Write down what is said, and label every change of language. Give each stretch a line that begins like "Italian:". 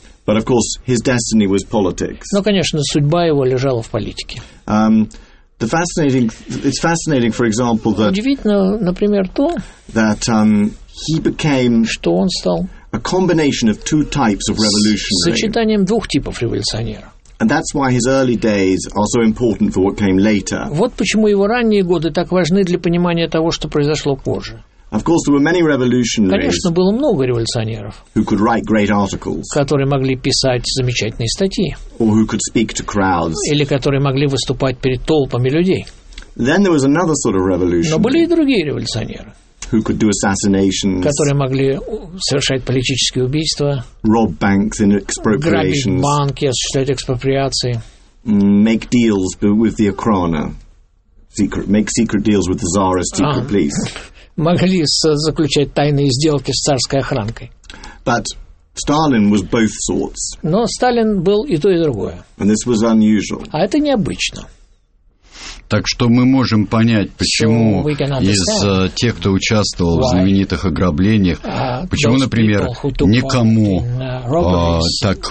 English: But, of course, his destiny was politics.
Russian: Но, конечно, судьба его лежала в политике.
English: It's fascinating, for example, that.
Russian: Удивительно, например, то.
English: That he became.
Russian: Что он стал.
English: A combination of two types of revolutionary.
Russian: Сочетанием двух типов революционера.
English: And that's why his early days are so important for what came later.
Russian: Вот почему его ранние годы так важны для понимания того, что произошло позже.
English: Of course, there were many revolutionaries.
Russian: Конечно, было много революционеров.
English: Who could write great articles.
Russian: Которые могли писать замечательные статьи.
English: Or who could speak to crowds.
Russian: Или которые могли выступать перед толпами людей.
English: Then there was another sort of revolutionary.
Russian: Но были и другие революционеры.
English: Who could do assassinations.
Russian: Которые могли совершать политические убийства.
English: Rob banks in expropriations.
Russian: Грабить банки, осуществлять экспроприации.
English: Make deals with the Okhrana. secret, make secret deals with the Tsarist secret police.
Russian: Могли заключать тайные сделки с царской охранкой.
English: But Stalin was both sorts.
Russian: Но Сталин был и то, и другое.
English: And this was unusual.
Russian: А это необычно. Так что мы можем понять, почему из тех, кто участвовал в знаменитых ограблениях, почему, например, никому так...